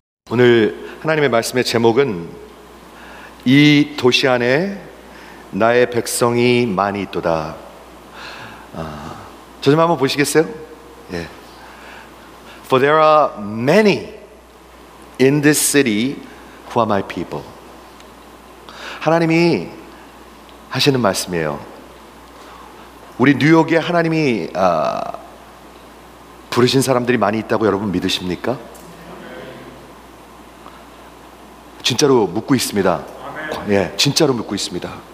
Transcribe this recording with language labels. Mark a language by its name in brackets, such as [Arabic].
[Korean] 오늘 하나님의 말씀의 제목은 이 도시 안에 나의 백성이 많이 있도다. 저 좀 한번 보시겠어요? 예. [English] For there are many in this city who are my people. [Korean] 하나님이 하시는 말씀이에요. 우리 뉴욕에 하나님이 부르신 사람들이 많이 있다고 여러분 믿으십니까? 진짜로 묻고 있습니다. 예, 진짜로 묻고 있습니다.